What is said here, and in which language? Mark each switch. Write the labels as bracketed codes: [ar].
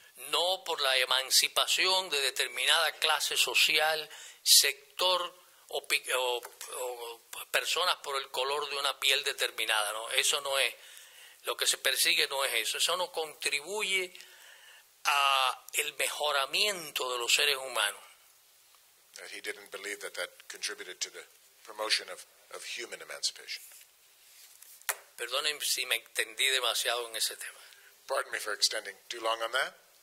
[es] No por la emancipación de determinada clase social, sector o personas por el color de una piel determinada. No, eso no es, lo que se persigue no es eso. Eso no contribuye a el mejoramiento de los seres humanos. [en] That he didn't believe that that contributed to the promotion of human emancipation. [es] Perdonen si me extendí demasiado en ese tema. [en] Pardon me for extending too long on that.